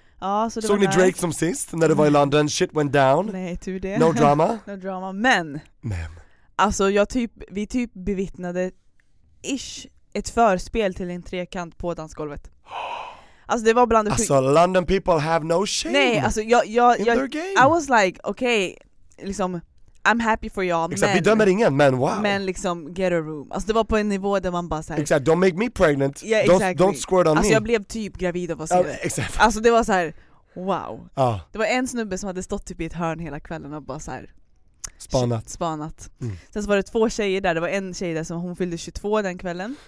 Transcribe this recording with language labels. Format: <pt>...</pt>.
<sv>Ja, så det såg ni Drake som sist när det var i London?</sv> <en>Shit went down.</en> <sv>Nej, tur det.</sv> <en>No drama. No drama. Men.</en> <sv>Alltså vi bevittnade ish ett förspel till en trekant på dansgolvet. Alltså det var bland det alltså,</sv> <en>London people have no shame.</en> <sv>Nej, alltså jag</sv> <en>in their game. I was like, okay,</en> <sv>liksom</sv> <en>I'm happy for y'all.</en> <sv>Exakt, men, vi dömer ingen, men wow. Men liksom,</sv> <en>get a room.</en> <sv>Alltså det var på en nivå där man bara såhär... Exakt,</sv> <en>don't make me pregnant. Ja, yeah,</en> <sv>exakt.</sv> <en>Don't squirt on</en> <sv>alltså,</sv> <en>me.</en> <sv>Alltså jag blev typ gravid av oss. Exakt. Alltså det var så här, wow. Ja. Det var en snubbe som hade stått typ i ett hörn hela kvällen och bara så här. Spanat. Mm. Sen så var det två tjejer där. Det var en tjej där som hon fyllde 22 den kvällen.</sv>